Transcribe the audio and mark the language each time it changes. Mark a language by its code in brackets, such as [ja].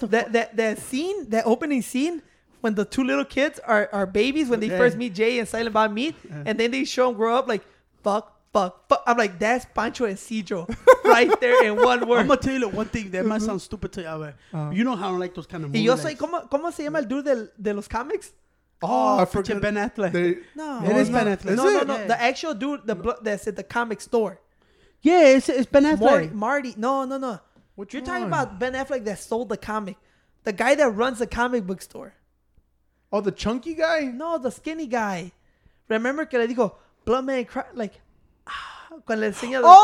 [en] that opening scene when the two little kids are babies when they first meet Jay and Silent Bob and then they show them grow up like, fuck. I'm like, that's Pancho and Cedro right there in one word. I'm going to tell you one thing that might sound stupid to you, but you know how I don't like those kind of movies. [es] Y yo soy, ¿cómo se llama el dude de los comics? [en] Oh, I forgot. Ben Affleck. Ben Affleck. No. Yeah. The actual dude that's at the comic store. Yeah, it's Ben Affleck. Marty. No. You're talking about Ben Affleck that sold the comic. The guy that runs the comic book store. Oh, the chunky guy? No, the skinny guy. [es] Remember que le digo, Blood Man Cry, like, cuando le enseña.